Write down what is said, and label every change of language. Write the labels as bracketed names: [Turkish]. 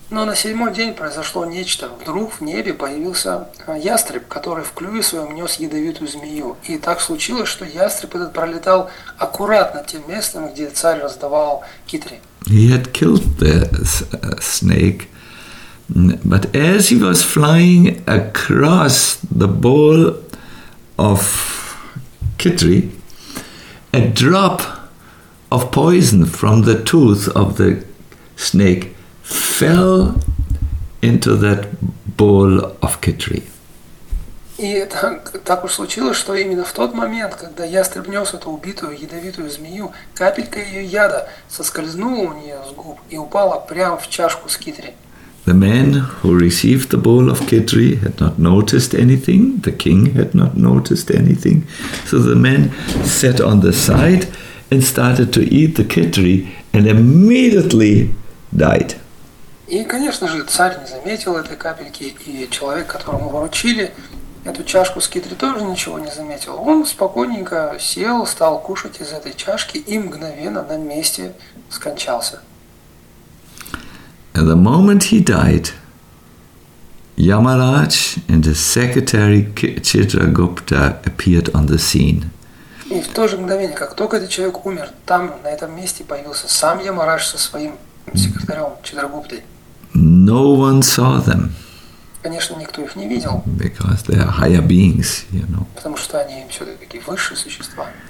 [Russian] Но на седьмой день произошло нечто. Вдруг в небе появился ястреб, который в клюве своем нес ядовитую змею. И так случилось, что ястреб этот пролетал аккуратно тем местом, где царь раздавал китри. [English] He had killed the snake, but as he was flying across the bowl of khichdi, a drop of poison from the tooth of the snake fell into that bowl of khichdi. [Russian] И так уж случилось, что именно в тот момент, когда ястреб нес эту убитую ядовитую змею, капелька ее яда соскользнула у нее с губ и упала прямо в чашку с khichdi. [English] The man who received the bowl of khichdi had not noticed anything. The king had not noticed anything. So the man sat on the side and started to eat the khichdi and immediately died. [Russian] И, конечно же, царь не заметил этой капельки, и человек, которому вручили эту чашку с khichdi, тоже ничего не заметил. Он спокойненько сел, стал кушать из этой чашки и мгновенно на месте скончался. [English] And the moment he died, Yamaraj and his secretary Chitragupta appeared on the scene. [Russian] И в то же мгновение, как только этот человек умер, там, на этом месте, появился сам Ямарадж со своим секретарем Читрагуптой. [English] No one saw them. [Russian] Конечно, никто их не видел. [English] Because they are higher beings, you know. [Russian] Потому что они все-таки высшие существа.